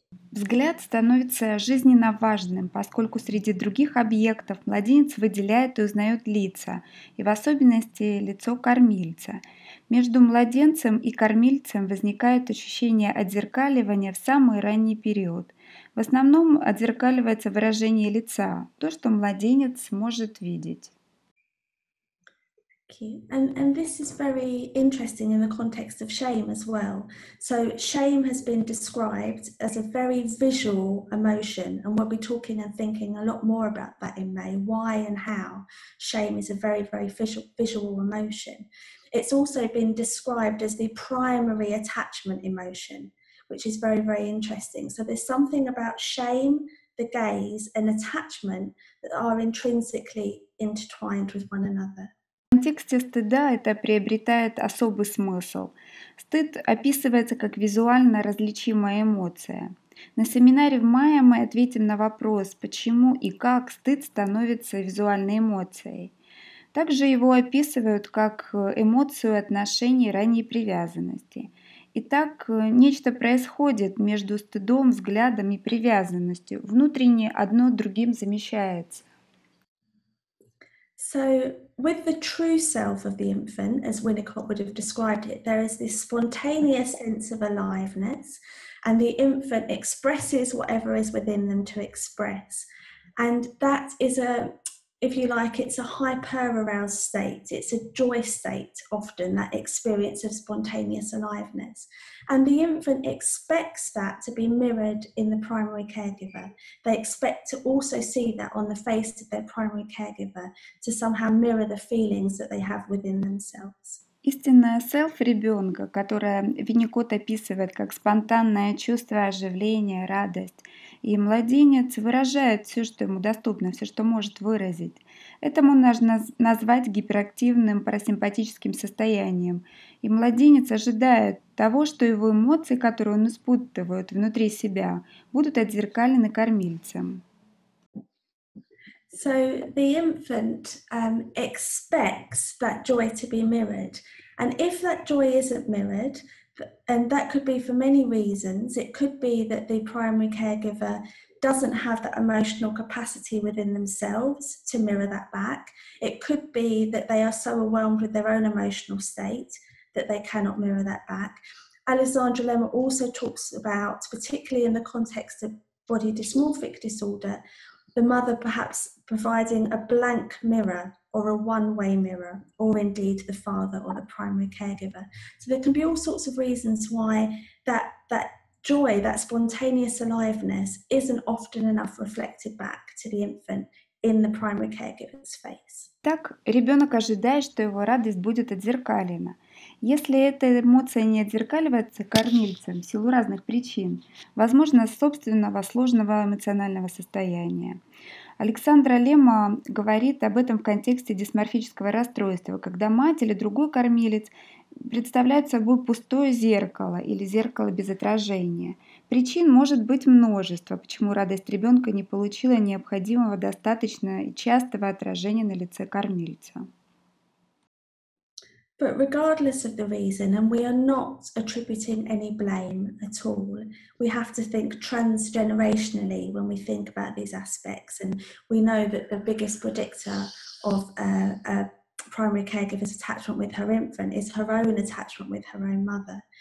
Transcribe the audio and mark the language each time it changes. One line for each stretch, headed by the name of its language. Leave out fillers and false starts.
Russian: Взгляд становится жизненно важным, поскольку среди других объектов младенец выделяет и узнает лица, и в особенности лицо кормильца. Между младенцем и кормильцем возникает ощущение отзеркаливания в самый ранний период. В основном отзеркаливается выражение лица, то, что младенец может видеть.
English: And this is very interesting in the context of shame as well. So shame has been described as a very visual emotion, and we'll be talking and thinking a lot more about that in May, why and how shame is a very, very visual emotion. It's also been described as the primary attachment emotion, which is very, very interesting. So there's something about shame, the gaze, and attachment that are intrinsically intertwined with one another.
Russian: В контексте стыда это приобретает особый смысл. Стыд описывается как визуально различимая эмоция. На семинаре в мае мы ответим на вопрос, почему и как стыд становится визуальной эмоцией. Также его описывают как эмоцию отношений ранней привязанности. Итак, нечто происходит между стыдом, взглядом и привязанностью. Внутренне одно другим замещается.
English: So, with the true self of the infant, as Winnicott would have described it, there is this spontaneous sense of aliveness, and the infant expresses whatever is within them to express. And that is a, if you like, it's a hyper-aroused state. It's a joy state, often, that experience of spontaneous aliveness. And the infant expects that to be mirrored in the primary caregiver. They expect to also see that on the face of their primary caregiver, to somehow mirror the feelings that they have within themselves.
Russian: Истинное self ребенка, которое Винникот описывает как спонтанное чувство оживления, радость, и младенец выражает все, что ему доступно, все, что может выразить. Это можно назвать гиперактивным парасимпатическим состоянием. И младенец ожидает того, что его эмоции, которые он испытывает внутри себя, будут отзеркалены кормильцем.
English: So the infant expects that joy to be mirrored. And if that joy isn't mirrored, and that could be for many reasons, it could be that the primary caregiver doesn't have that emotional capacity within themselves to mirror that back. It could be that they are so overwhelmed with their own emotional state that they cannot mirror that back. Alexandra Lemma also talks about, particularly in the context of body dysmorphic disorder, the mother perhaps providing a blank mirror or a one-way mirror, or indeed the father or the primary caregiver. So there can be all sorts of reasons why that joy, that spontaneous aliveness, isn't often enough reflected back to the infant in the primary caregiver's face.
Russian: Так, ребенок ожидает, что его радость будет отзеркалена. Если эта эмоция не отзеркаливается кормильцем в силу разных причин, возможно, собственного сложного эмоционального состояния. Александра Лемма говорит об этом в контексте дисморфического расстройства, когда мать или другой кормилец представляет собой пустое зеркало или зеркало без отражения. Причин может быть множество, почему радость ребенка не получила необходимого достаточно частого отражения на лице кормильца.
English: But regardless of the reason, and we are not attributing any blame at all, we have to think transgenerationally when we think about these aspects. And we know that the biggest predictor of a primary caregiver's attachment with her infant is her own attachment with her own mother.